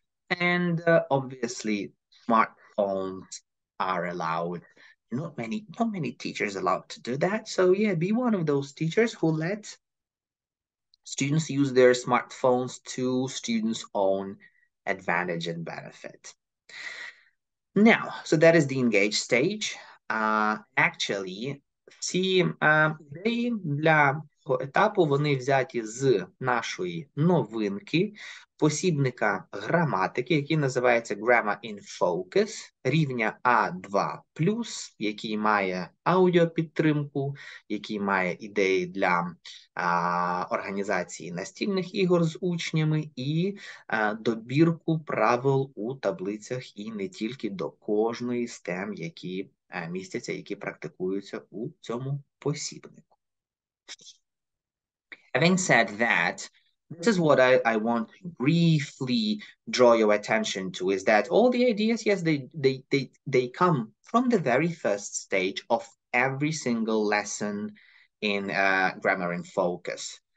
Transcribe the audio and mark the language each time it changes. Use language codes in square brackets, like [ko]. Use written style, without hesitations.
[en] And obviously, smartphones are allowed. Not many teachers allowed to do that. So yeah, be one of those teachers who let students use their smartphones to students' own advantage and benefit. Now, so that is the engaged stage. [uk] Actually, ці ідеї для етапу вони взяті з нашої новинки посібника граматики, який називається Grammar in Focus, рівня А2+, який має аудіопідтримку, який має ідеї для організації настільних ігор з учнями і добірку правил у таблицях і не тільки до кожної з тем, які містяться, які практикуються у цьому посібнику. [en] Having said that, this is what I want to briefly draw your attention to, is that all the ideas, yes, they come from the very first stage of every single lesson in Grammar in Focus.